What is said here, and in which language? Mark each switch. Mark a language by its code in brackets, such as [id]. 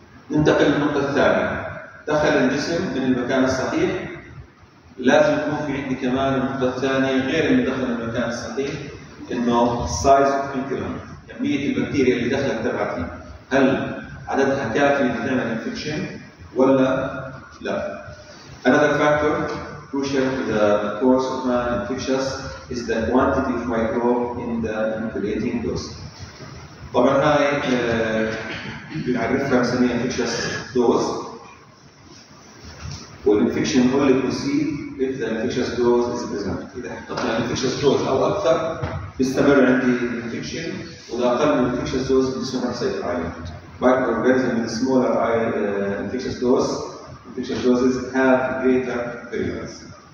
[ar] ننتقل للنقطة الثانية. دخل الجسم من المكان الصحيح، لازم يكون في عندي كمان النقطة الثانية غير اللي دخل المكان الصحيح، إنه [en] size of infection، [ar] كمية البكتيريا اللي دخلت تبعتي هل عددها كافي لتعمل infection ولا لا. [en] Another factor crucial to the course of an infectious is the quantity of microbe in the inoculating dose. [ar] طبعا هاي بنعرفها بنسميها infectious dose. [en] والinfection only proceed if the infectious dose is present. [ar] إذا حققنا infectious dose أو أكثر بيستمر عندي infection، وإذا أقل من infectious dose بيستمر سيطر عليه. [en] Microorganisms with smaller infectious dose have greater virulence.